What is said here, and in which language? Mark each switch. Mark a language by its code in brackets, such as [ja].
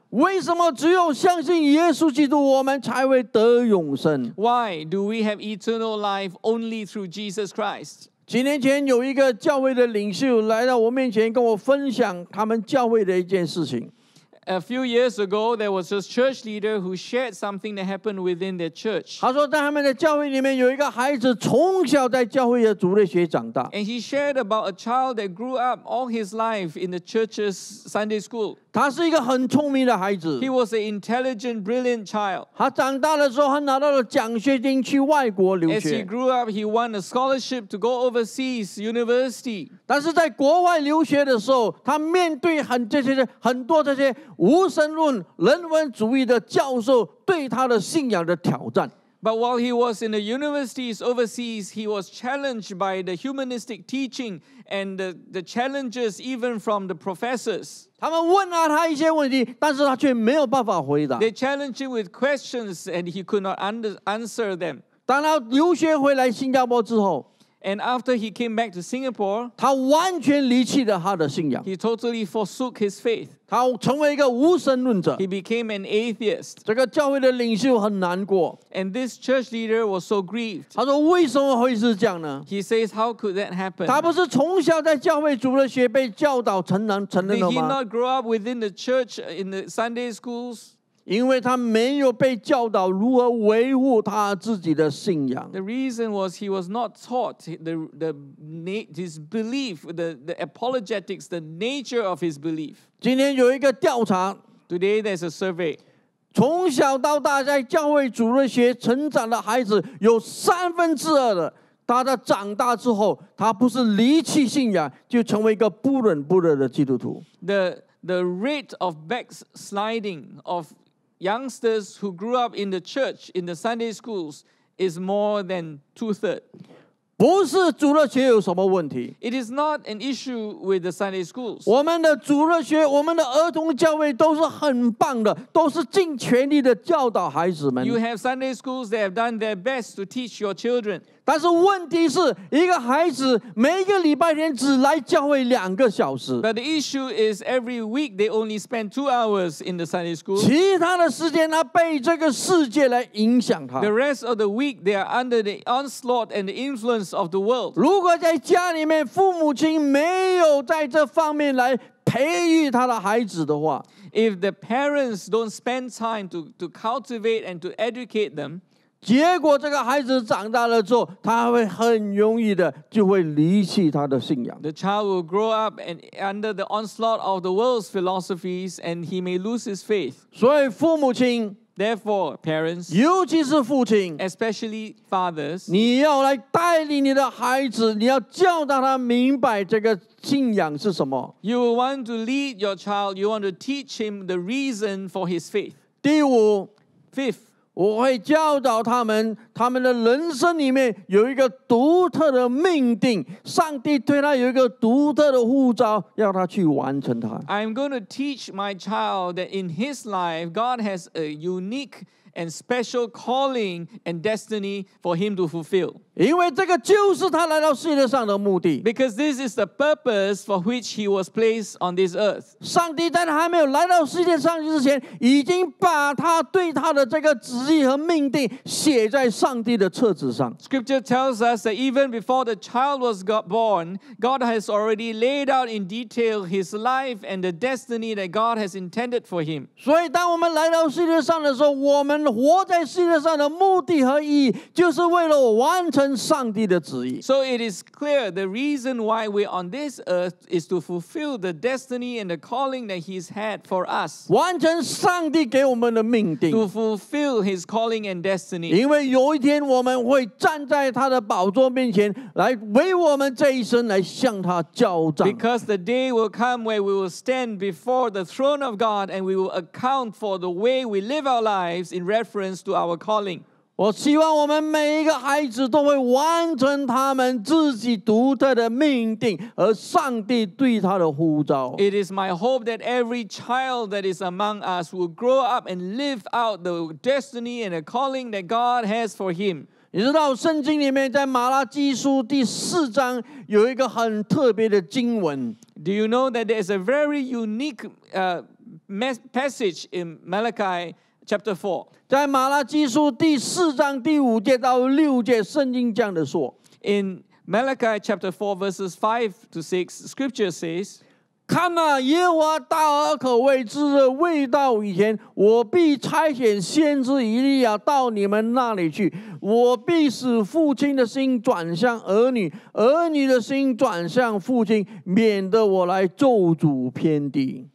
[zh] 为什么只有相信耶稣基督我们才会得永生? [en] Why do we have eternal life only through Jesus Christ? [zh] 几年前有一个教会的领袖来到我面前跟我分享他们教会的一件事情。 [en] A few years ago, there was this church leader who shared something that happened within their church. [zh] 他说在他们的教会里面有一个孩子从小在教会的主日学长大。 [en] And he shared about a child that grew up all his life in the church's Sunday school. [zh] 他是一个很聪明的孩子。 [en] He was an intelligent, brilliant child. [zh] 他长大的时候他拿到了奖学金去外国留学。 [en] As he grew up, he won a scholarship to go overseas university. [zh] 但是在国外留学的时候他面对 很多这些无神论人文主义的教授对他的信仰的挑战。 [en] But while he was in the universities overseas, he was challenged by the humanistic teaching and the challenges even from the professors. [zh] 他们问了他一些问题但是他却没有办法回答。 [en] They challenged him with questions and he could not answer them. [zh] 当他留学回来新加坡之后 [en] And after he came back to Singapore, [zh] 他完全离弃了他的信仰。 [en] He totally forsook his faith. [zh] 他成为一个无神论者。 [en] He became an atheist. [zh] 这个教会的领袖很难过。 [en] And this church leader was so grieved. [zh] 他说为什么会是这样呢？ [en] He says, how could that happen? [zh] 他不是从小在教会主的学被教导成人了吗？ [en] Did he not grow up within the church in the Sunday schools? [zh] 因为他没有被教导如何维护他自己的信仰。 [en] The reason was he was not taught his belief, the apologetics, the nature of his belief. [zh] 今天有一个调查。 [en] Today there's a survey. [zh] 从小到大在教会主日学成长的孩子有三分之二的他的长大之后他不是离弃信仰就成为一个不冷不热的基督徒。 [en] The rate of backsliding ofYoungsters who grew up in the church, in the Sunday schools, is more than two-thirds. [zh] 不是主日学有什么问题。 [en] It is not an issue with the Sunday schools. [zh] 我们的主日学，我们的儿童教会都是很棒的，都是尽全力的教导孩子们。 [en] You have Sunday schools that have done their best to teach your children. [zh] 但是问题是，一个孩子每一个礼拜天只来教会两个小时。 [en] But the issue is every week they only spend 2 hours in the Sunday school. [zh] 其他的时间他被这个世界来影响他。 [en] The rest of the week they are under the onslaught and the influence of the world. [zh] 如果在家里面父母亲没有在这方面来培育他的孩子的话 [en] ，If the parents don't spend time to cultivate and to educate them。 [zh] 结果这个孩子长大了之后他会很容易的就会离弃他的信仰。 [en] The child will grow up and under the onslaught of the world's philosophies and he may lose his faith. [zh] 所以父母亲 [en] Therefore, parents, [zh] 尤其是父亲 [en] especially fathers, [zh] 你要来带领你的孩子你要教导他明白这个信仰是什么。 [en] You want to lead your child, you want to teach him the reason for his faith. [zh] 第五 [en] Fifth, [zh] 我会教导他们，他们的人生里面有一个独特的命定，上帝对他有一个独特的呼召，要他去完成他。 [en] I'm going to teach my child that in his life, God has a unique and special calling and destiny for him to fulfill. [zh] 因为这个就是他来到世界上的目的。 [en] Because this is the purpose for which he was placed on this earth. [zh] 上帝在他还没有来到世界上之前，已经把他对他的这个旨意和命定写在上帝的册子上。 [en] Scripture tells us that even before the child was born, God has already laid out in detail his life and the destiny that God has intended for him. [zh] 所以当我们来到世界上的时候，我们活在世界上的目的和意义就是为了完成上帝的旨意。 [en] So it is clear the reason why we're on this earth is to fulfill the destiny and the calling that he's had for us. [zh] 完成上帝给我们的命定。 [en] To fulfill his calling and destiny. [zh] 因为有一天我们会站在他的宝座面前来为我们这一生来向他交账。 [en] Because the day will come where we will stand before the throne of God and we will account for the way we live our lives in reference to our calling. [zh] 我希望我们每一个孩子都会完成他们自己独特的命定和上帝对他的呼召。 [en] It is my hope that every child that is among us will grow up and live out the destiny and the calling that God has for him. [zh] 你知道圣经里面在马拉基书第四章有一个很特别的经文。 [en] Do you know that there is a very unique passage in Malachi Chapter 4. [zh] 在马拉基书第四章第五节到六节，圣经这样的说。 [en] In Malachi chapter 4 verses 5 to 6, Scripture says, [zh] 看啊，耶和华大而可畏之日未到以前，我必差遣先知以利亚到你们那里去。我必使父亲的心转向儿女，儿女的心转向父亲，免得我来咒诅偏地。